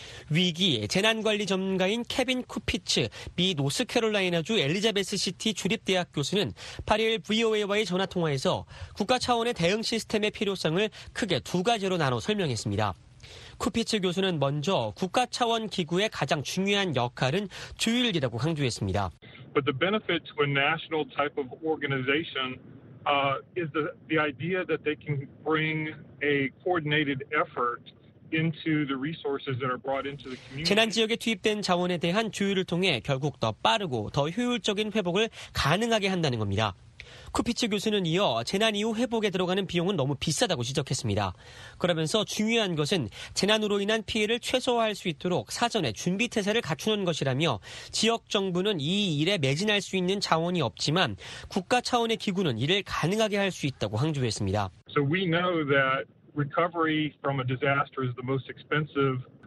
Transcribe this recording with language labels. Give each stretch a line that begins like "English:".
Korean: 위기 재난관리 전문가인 케빈 쿠피츠 미 노스캐롤라이나주 엘리자베스 시티 주립대학 교수는 8일 VOA와의 전화통화에서 국가 차원의 대응 시스템의 필요성을 크게 두 가지로 나눠 설명했습니다. 쿠피츠 교수는 먼저 국가 차원 기구의 가장 중요한 역할은 조율이라고 강조했습니다.
English: But the benefit to a national type of organization is the idea that they can bring a coordinated effort into the resources that are brought into the community.
Korean: 재난 지역에 투입된 자원에 대한 조율을 통해 결국 더 빠르고 더 효율적인 회복을 가능하게 한다는 겁니다. 쿠피츠 교수는 이어 재난 이후 회복에 들어가는 비용은 너무 비싸다고 지적했습니다. 그러면서 중요한 것은 재난으로 인한 피해를 최소화할 수 있도록 사전에 준비태세를 갖추는 것이라며 지역 정부는 이 일에 매진할 수 있는 자원이 없지만 국가 차원의 기구는 이를 가능하게 할 수 있다고 강조했습니다.
English: So we know that recovery from a disaster is the most expensive